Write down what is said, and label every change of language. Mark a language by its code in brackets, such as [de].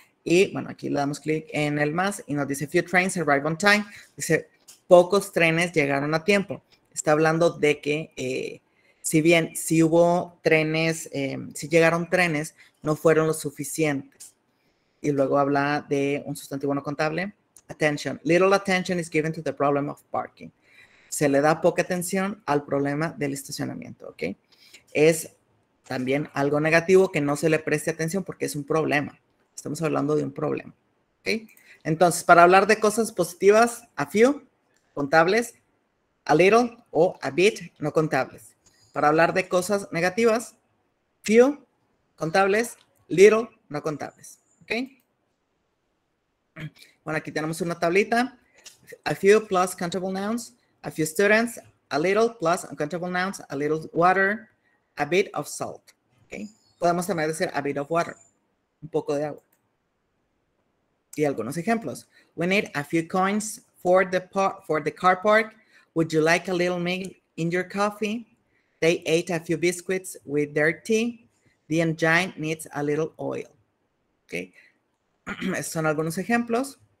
[es] Y, bueno, aquí le damos clic en el más y nos dice [en] few trains arrive on time. [es] Dice, pocos trenes llegaron a tiempo. Está hablando de que, si bien si hubo trenes, si llegaron trenes, no fueron los suficientes. Y luego habla de un sustantivo no contable. [en] Attention. Little attention is given to the problem of parking. [es] Se le da poca atención al problema del estacionamiento, ¿ok? Es también algo negativo que no se le preste atención porque es un problema. Estamos hablando de un problema, ¿ok? Entonces, para hablar de cosas positivas, a few, contables, a little o a bit, no contables. Para hablar de cosas negativas, few, contables, little, no contables, ¿ok? Bueno, aquí tenemos una tablita. [en] A few plus countable nouns, a few students, a little plus uncountable nouns, a little water, a bit of salt, ¿ok? [es] Podemos también decir [en] a bit of water, [es] un poco de agua. Y algunos ejemplos. [en] We need a few coins for the car park. Would you like a little milk in your coffee? They ate a few biscuits with their tea. The engine needs a little oil. Okay. [es] Estos son algunos ejemplos.